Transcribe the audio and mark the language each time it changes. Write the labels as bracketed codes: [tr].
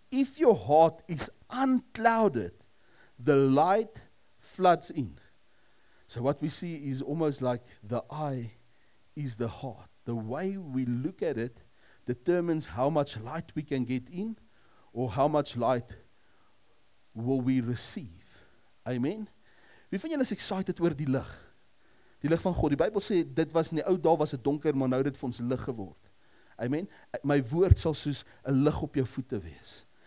[en] If your heart is unclouded, the light floods in. So what we see is almost like the eye is the heart. The way we look at it determines how much light we can get in or how much light will we receive. Amen. [af] Wie van julle is excited oor die lig? Die lig van God. Die Bybel sê, dit was in die ou dae was het donker, maar nou het vir ons lig geword. Amen. My woord sal soos een lig op jou voete wees.